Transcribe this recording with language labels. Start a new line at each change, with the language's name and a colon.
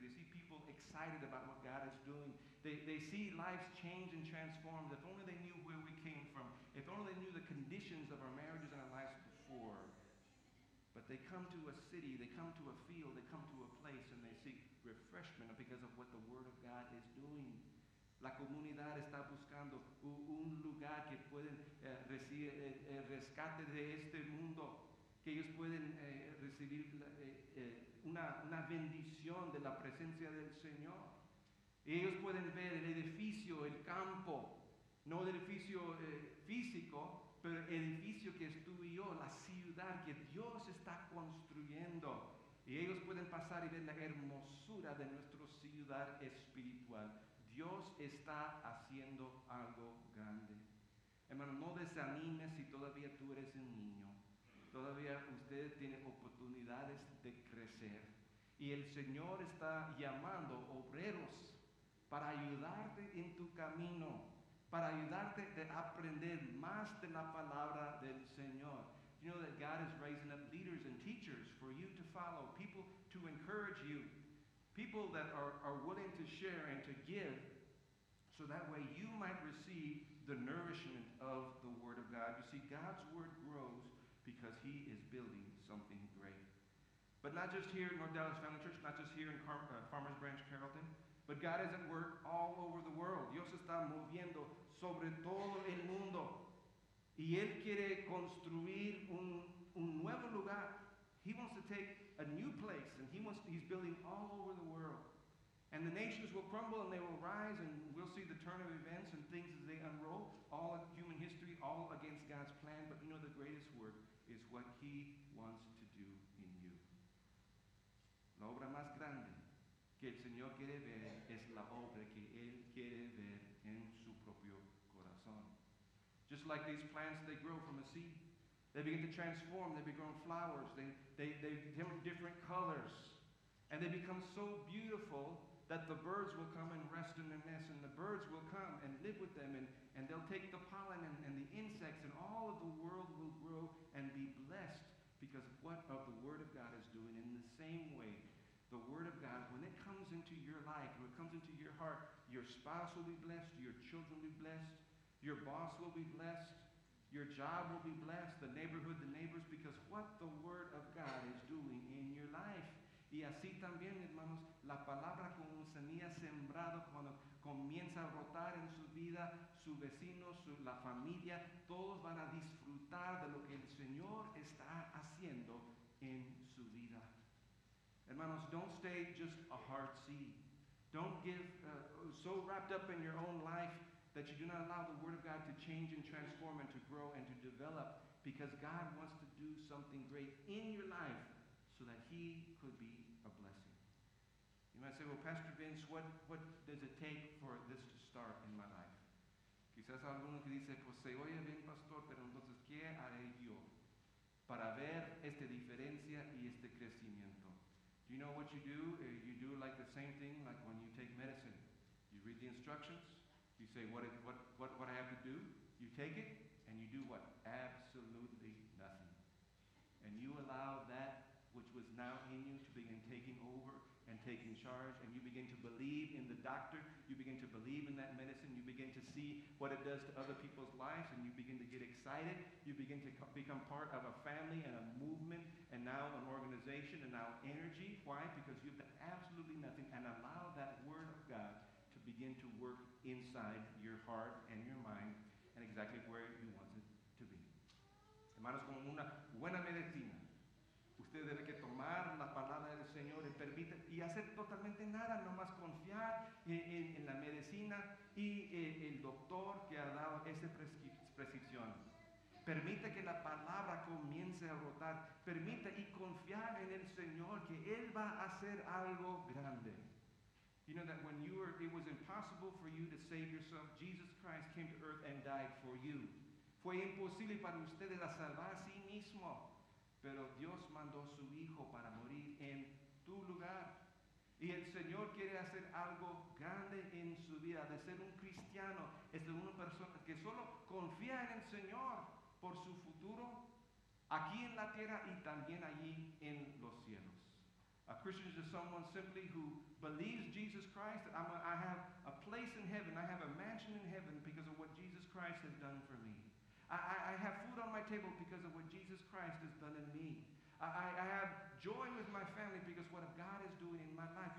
English: They see people excited about what God is doing. They see lives change and transformed. If only they knew where we came from. If only they knew the conditions of our marriages and our lives before. But they come to a city, they come to a field, they come to a place, and they seek refreshment because of what the Word of God is doing.
Spanish: La comunidad está buscando un lugar que pueden recibir el rescate de este mundo, que ellos pueden recibir una bendición de la presencia del Señor. Y ellos pueden ver el edificio, el campo, no el edificio físico, pero el edificio que es tú y yo, la ciudad que Dios está construyendo. Y ellos pueden pasar y ver la hermosura de nuestra ciudad espiritual. Dios está haciendo algo grande. Hermano, no desanimes si todavía tú eres un niño. Todavía usted tiene oportunidades de crecer. Y el Señor está llamando obreros para ayudarte en tu camino, para ayudarte a aprender más de la palabra del Señor.
English: You know that God is raising up leaders and teachers for you to follow, people to encourage you, people that are willing to share and to give, so that way you might receive the nourishment of the Word of God. You see, God's Word grows because He is building something great. But not just here in North Dallas Family Church, not just here in Farmers Branch, Carrollton, but God is at work all over the world.
Spanish: Dios está moviendo sobre todo el mundo. Y Él quiere construir un nuevo lugar.
English: He wants to take a new place, and he's building all over the world. And the nations will crumble, and they will rise, and we'll see the turn of events and things as they unroll, all of human history, all against God's plan. But you know, the greatest work is what He wants to do in you.
Spanish: La obra más grande que el Señor quiere ver es la obra que Él quiere ver en su propio corazón.
English: Just like these plants, they grow from a seed. They begin to transform. They become flowers. They become different colors. And they become so beautiful that the birds will come and rest in their nest, and the birds will come and live with them, and they'll take the pollen and the insects, and all of the world will grow and be blessed because of what of the Word of God is doing. In the same way, the Word of God, when it comes into your life, when it comes into your heart, your spouse will be blessed, your children will be blessed, your boss will be blessed, your job will be blessed, the neighborhood, the neighbors, because what the Word of God is doing in your life.
Spanish: Y así también, hermanos, la palabra como semilla sembrado, cuando comienza a brotar en su vida, su vecino, la familia, todos van a disfrutar de lo que el Señor está haciendo en su vida.
English: Hermanos, don't stay just a hard seed. Don't give so wrapped up in your own life that you do not allow the Word of God to change and transform and to grow and to develop, because God wants to do something great in your life so that He could be a blessing. You might say, well, Pastor Vince, what does it take for this to start in my life?
Spanish: Quizás alguno que dice, pues se oye bien, pastor, pero entonces, ¿qué haré yo para ver esta diferencia y este crecimiento?
English: Do you know what you do? You do like the same thing like when you take medicine. You read the instructions. You say, what I have to do? You take it, and you do what? Absolutely nothing. And you allow that which was now in you to begin taking over and taking charge, and you begin to believe in the doctor, you begin to believe in that medicine, you begin to see what it does to other people's lives, and you begin to get excited, you begin to become part of a family and a movement, and now an organization, and now energy. Why? Because you've done absolutely nothing, and allow that Word of God to begin to work inside your heart and your mind, and exactly where you want it to be.
Spanish: Hermanos, como una buena medicina, usted debe que tomar la palabra del Señor y permite y hacer totalmente nada, nomás confiar en la medicina y el doctor que ha dado esa prescripción. Permite que la palabra comience a brotar. Permite y confiar en el Señor que Él va a hacer algo grande.
English: You know that when you were, it was impossible for you to save yourself, Jesus Christ came to earth and died for you.
Spanish: Fue imposible para ustedes la salvar a sí mismo. Pero Dios mandó su Hijo para morir en tu lugar. Y el Señor quiere hacer algo grande en su vida. De ser un cristiano, es de una persona que solo confía en el Señor por su futuro, aquí en la tierra y también allí en los cielos.
English: A Christian is just someone simply who believes Jesus Christ, that I have a place in heaven, I have a mansion in heaven because of what Jesus Christ has done for me. I have food on my table because of what Jesus Christ has done in me. I have joy with my family because of what God is doing in my life.